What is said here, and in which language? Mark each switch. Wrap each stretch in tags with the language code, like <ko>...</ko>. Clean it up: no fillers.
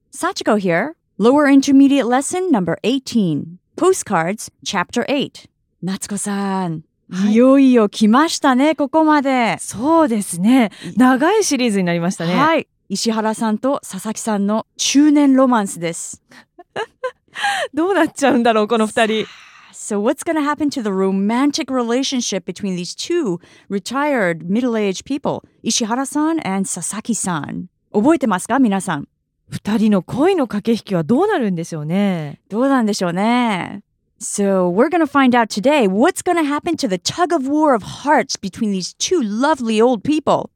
<en>Sachiko here. Lower Intermediate Lesson No. 18 Postcards Chapter 8。</en> <ja>夏子さん、はい、いよいよ来ましたね、ここまで。そうですね、長いシリーズになりましたね。はい、石原さんと佐々木さんの中年ロマンスです。どうなっちゃうんだろう、この二人。</ja> <en>So what's gonna happen to the romantic relationship between these two retired middle-aged people, 石原さん and 佐々木さん。</en> <ja>覚えてますか、皆さん。二人の恋の駆け引きはどうなるんでしょうね。どうなんでしょうね。</ja> <en>So we're gonna find out today what's gonna happen to the tug of war of hearts between these two lovely old people.</en>